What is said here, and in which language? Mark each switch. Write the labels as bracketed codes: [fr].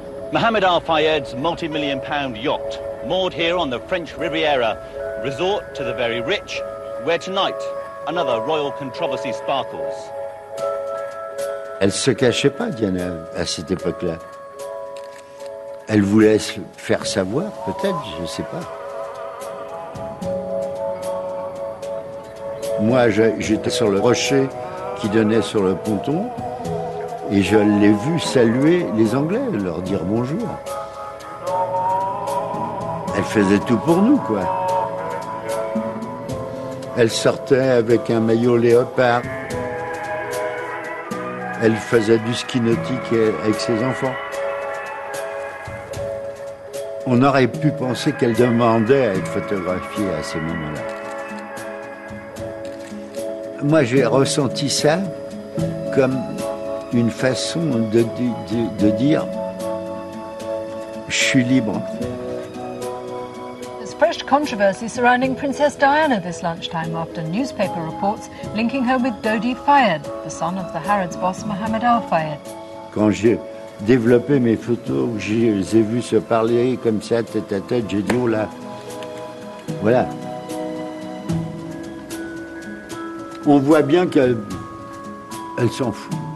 [en] Mohamed Al-Fayed's multi-million pound yacht, moored here on the French Riviera, resort to the very rich, where tonight another royal controversy sparkles. [fr] Elle se cachait pas, Diana, à cette époque-là. Elle voulait se faire savoir, peut-être, je sais pas. Moi, j'étais sur le rocher qui donnait sur le ponton et je l'ai vu saluer les Anglais, leur dire bonjour. Elle faisait tout pour nous, quoi. Elle sortait avec un maillot léopard. Elle faisait du ski nautique avec ses enfants. On aurait pu penser qu'elle demandait à être photographiée à ce moment-là. Moi, j'ai ressenti ça comme une façon de dire « je suis libre ». [en] Fresh controversy surrounding Princess Diana this lunchtime after newspaper reports linking her with Dodi Fayed, the son of the Harrods boss Mohamed Al-Fayed. [fr] Quand j'ai développé mes photos, je les ai vues se parler comme ça, tête à tête, j'ai dit, oh là, voilà. On voit bien qu'elle s'en fout.